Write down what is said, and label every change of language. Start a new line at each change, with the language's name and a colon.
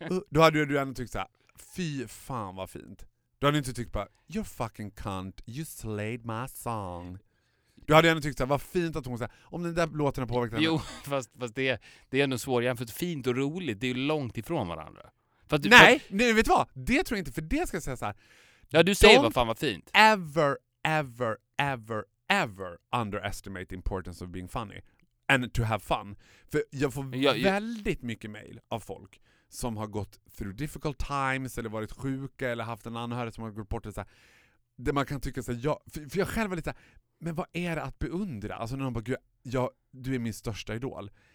Swedish: Då hade du ändå tyckt såhär, fy fan vad fint. Du hade inte tyckt bara,
English: you're fucking cunt, you slayed my song.
Swedish: Du hade ändå tyckt såhär, vad fint att hon såhär, om den där låten har påverkat henne. Jo, fast det är ändå svårt jämfört. Fint och roligt, det är ju långt ifrån varandra. Nej, vet du vad? Det tror jag inte, för det ska jag säga såhär. Ja, du säger vad fan vad fint.
English: Ever, ever, ever, ever underestimate the importance of being funny and to have fun.
Swedish: För jag får väldigt mycket mail av folk som har gått
English: through difficult times
Swedish: eller varit sjuka eller haft en anhörig som har gått bort, så där man kan tycka så här, för jag själv är lite så här, men vad är det att beundra? Alltså när de bara, du är min största idol.